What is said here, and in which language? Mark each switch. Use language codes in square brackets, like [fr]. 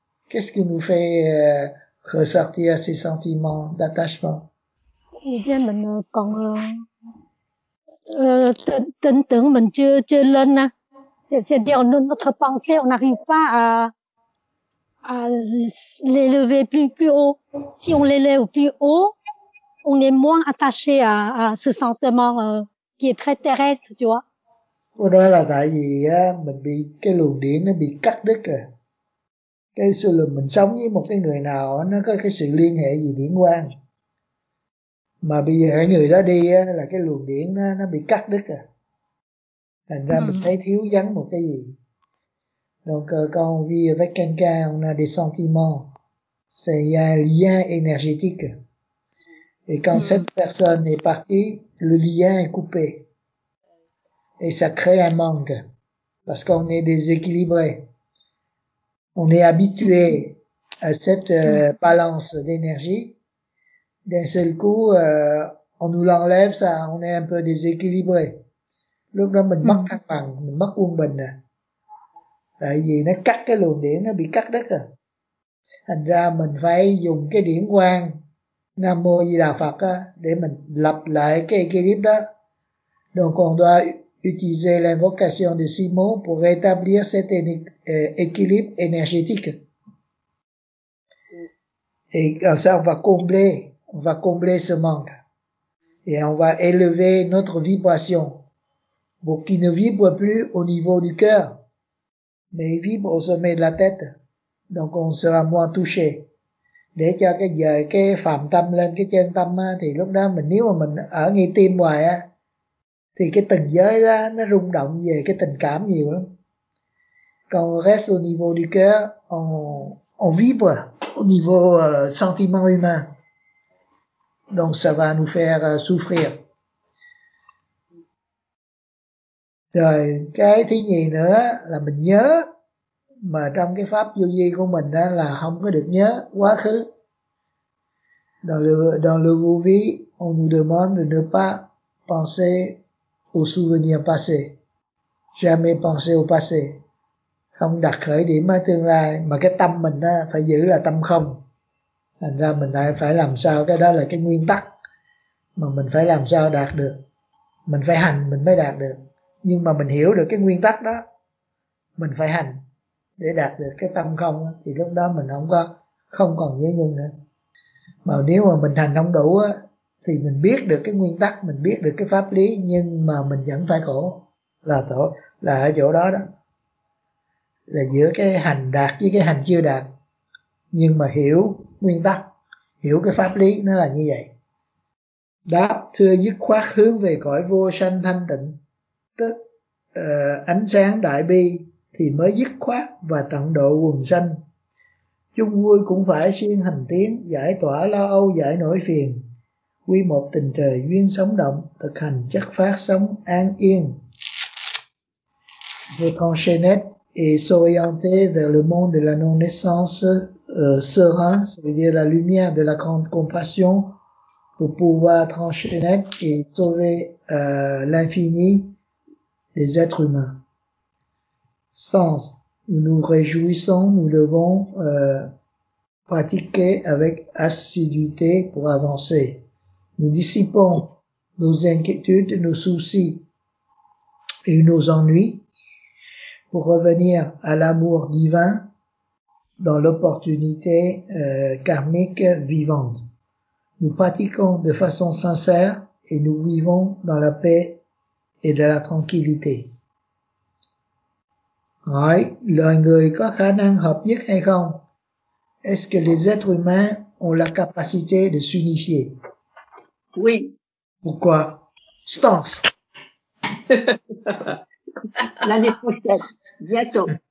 [fr] Qu'est-ce qui nous fait ressortir ces sentiments d'attachement? [vi] Thì mình còn tưởng tưởng mình chưa lên nè. [fr] C'est-à-dire notre pensée, on n'arrive pas à l'élever plus haut. Si on l'élève plus haut, on est moins attaché à ce sentiment qui est très terrestre, tu vois. [vi] Pour đó là tại vì mình bị cái luồng điện nó bị cắt đứt rồi. Cái sự là mình sống với một cái người nào nó có cái sự liên hệ gì điển quan. mà bây giờ cái người đó đi á, là cái luồng điển nó bị cắt đứt à, thành ra mình thấy thiếu vắng một cái gì. [fr] Donc quand on vit avec quelqu'un, on a des sentiments, c'est y a un lien énergétique. Et quand cette personne est partie, le lien est coupé. Et ça crée un manque, parce qu'on est déséquilibré. On est habitué à cette balance d'énergie. D'un seul coup, on nous l'enlève, ça, on est un peu déséquilibré. [vi] Lúc đó mình mất cân bằng, mình mất quân bình à. Tại vì nó cắt cái luồng điện, nó bị cắt đứt à. Thành ra mình phải dùng cái điển quang Nam Mô Di Đà Phật á, để mình lập lại cái clip đó. [fr] Donc on doit utiliser l'invocation de six mots pour rétablir cet équilibre énergétique. Et comme ça, on va combler ce manque. Et on va élever notre vibration pour qu'il ne vibre plus au niveau du cœur, mais il vibre au sommet de la tête. Donc on sera moins touché. [vi] Để cho cái giờ cái phàm tâm lên cái chân tâm á, thì lúc đó mình nếu mà mình ở ngay tim hoài á, thì cái tầng giới đó nó rung động về cái tình cảm nhiều lắm. [fr] Còn reste au niveau du cœur, on vibre au niveau sentiment humain. Donc ça va nous faire souffrir. [vi] Rồi cái thứ nhì nữa là mình nhớ. Mà trong cái pháp vô vi của mình đó là không có được nhớ quá khứ. [fr] Dans le vô vi, on nous demande de ne pas penser au souvenir passé. Jamais penser au passé. [vi] Không đặt khởi điểm ở tương lai, mà cái tâm mình đó phải giữ là tâm không. Thành ra mình phải làm sao, cái đó là cái nguyên tắc mà mình phải làm sao đạt được. Mình phải hành mình mới đạt được. Nhưng mà mình hiểu được cái nguyên tắc đó, mình phải hành để đạt được cái tâm không, thì lúc đó mình không còn dễ nhung nữa. Mà nếu mà mình hành không đủ á, thì mình biết được cái nguyên tắc, mình biết được cái pháp lý, nhưng mà mình vẫn phải khổ, là ở chỗ đó đó, là giữa cái hành đạt với cái hành chưa đạt. Nhưng mà hiểu nguyên tắc, hiểu cái pháp lý nó là như vậy. Đáp: thưa, dứt khoát hướng về cõi vô sanh thanh tịnh, tức ánh sáng đại bi, thì mới dứt khoát và tận độ quần sanh. Chung vui cũng phải siêng hành tiến, giải tỏa lo âu, giải nỗi phiền. Quy một tình trời duyên sống động, thực hành chất phát sống an yên. [fr] Vous enchaînez et s'orienter vers le monde de la non-naissance serein, ça veut dire la lumière de la grande compassion, pour pouvoir transcender et sauver l'infini des êtres humains. Sens, nous nous réjouissons, nous devons pratiquer avec assiduité pour avancer. Nous dissipons nos inquiétudes, nos soucis et nos ennuis pour revenir à l'amour divin dans l'opportunité karmique vivante. Nous pratiquons de façon sincère et nous vivons dans la paix et de la tranquillité. [vi] Hỏi, loài người có khả năng hợp nhất hay không? [fr] Est-ce que les êtres humains ont la capacité de s'unifier? Oui. Pourquoi? Stance. L'année prochaine, bientôt.